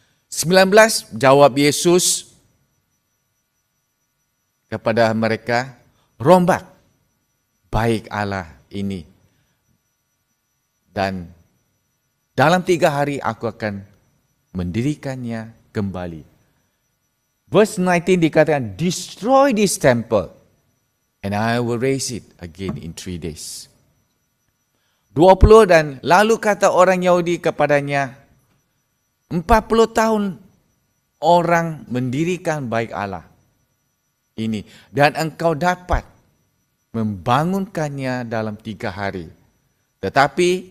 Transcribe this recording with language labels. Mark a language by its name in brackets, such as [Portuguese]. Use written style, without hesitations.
[Indonesian] 19, jawab Yesus kepada mereka, rombak baik Allah ini. Dan dalam 3 hari aku akan mendirikannya kembali. [English] Verse 19 dikatakan, destroy this temple and I will raise it again in 3 days. [Indonesian] 20, dan lalu kata orang Yahudi kepadanya, 40 tahun orang mendirikan bait Allah ini dan engkau dapat membangunkannya dalam 3 hari. Tetapi